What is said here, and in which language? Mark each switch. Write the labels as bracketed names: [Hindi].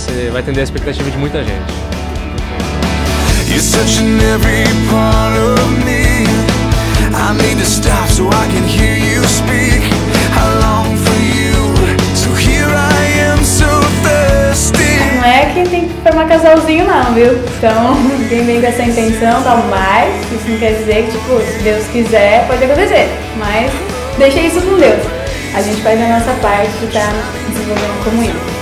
[Portuguese] Vai atender a expectativa de muita gente. [English] You're touching every part of me. I need to stop so I can hear you speak. I long for you. So here I am, so thirsty. [Portuguese] Não é quem tem que formar casalzinho, não, viu? Então, quem vem com essa intenção, tá mais. Isso não quer dizer que, tipo, se Deus quiser, pode acontecer. Mas deixa isso com Deus. A gente faz a nossa parte de estar desenvolvendo como ele.